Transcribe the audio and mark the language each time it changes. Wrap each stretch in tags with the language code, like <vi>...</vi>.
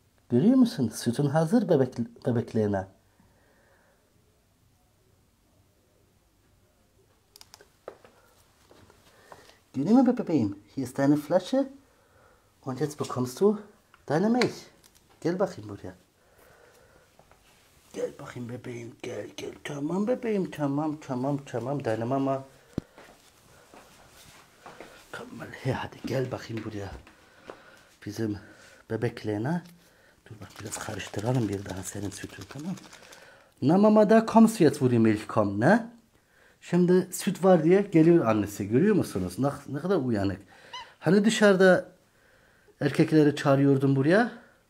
<tr>Görüyor musun? Sütün hazır, Bebek Lena. Görüyor musun, Bebeğim?</tr> <de>Hier ist deine Flasche. Und jetzt bekommst du deine Milch.</de> <tr>Gel bakayım buraya. Gel bakayım bebeğim, gel gel. Tamam bebeğim, tamam tamam tamam.</tr> <de>Deine Mama. Komm mal her,</de> <tr>hadi gel bakayım buraya. Bizim Bebek Lena. Dur bak, biraz karıştıralım bir daha senin sütün, tamam.</tr> <de>Na Mama, da kommst du jetzt, wo die Milch kommt, ne?</de> <tr>Şimdi süt var diye geliyor annesi, görüyor musunuz? Ne kadar uyanık. Hani dışarıda erkekleri çağırıyordum buraya?</tr>